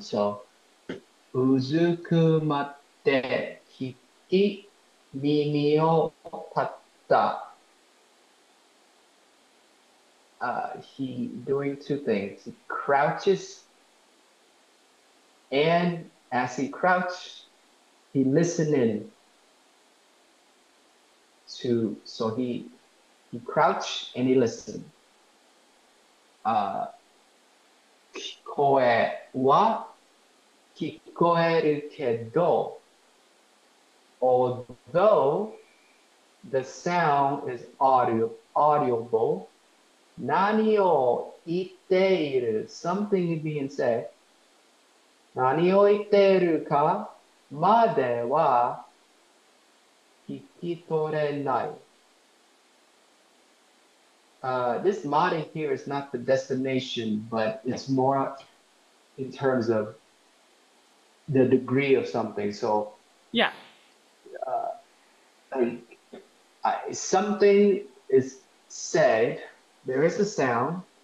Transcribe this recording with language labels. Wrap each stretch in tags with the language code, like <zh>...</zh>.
<ja>So うずくまって聞き耳を立った。</ja> <en>He doing two things. He crouches, and as he crouch, he listen in to. So he crouch and he listen.</en> <ja>Kikoeru kedo,</ja> <en>although the sound is audible.</en> <ja>何を言っている、</ja> <en>something being said。</en> <ja>何を言っているかまでは聞き取れない。</ja> <en>This mari here is not the destination, but it's more in terms of the degree of something. So, Yeah. something is said. There is a sound.</en>